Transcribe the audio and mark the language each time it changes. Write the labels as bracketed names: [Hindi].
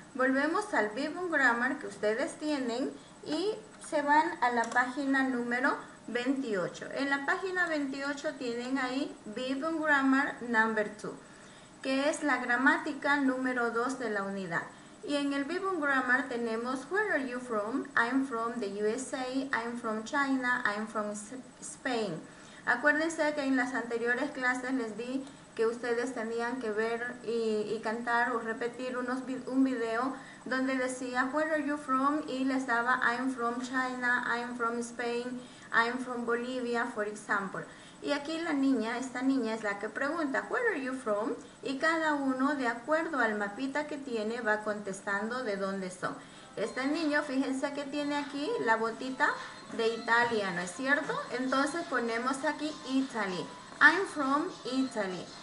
[Spanish] Volvemos al Viv on Grammar que ustedes tienen y se van a la página número 28. En la página 28 tienen ahí Viv on Grammar number 2, que es la gramática número 2 de la unidad. Y en el Viv on Grammar tenemos, [English] where are you from? I'm from the USA, I'm from China, I'm from Spain. [Spanish] Acuérdense que en las anteriores clases les di que ustedes tenían que ver y cantar o repetir un video donde decía, [English] where are you from? [Spanish] Y les daba, [English] I'm from China, I'm from Spain, I'm from Bolivia, for example. [Spanish] Y aquí la niña, esta niña es la que pregunta, [English] where are you from? [Spanish] Y cada uno, de acuerdo al mapita que tiene, va contestando de dónde son. Este niño, fíjense que tiene aquí la botita de Italia, ¿no es cierto? Entonces ponemos aquí Italy. [English] I'm from Italy.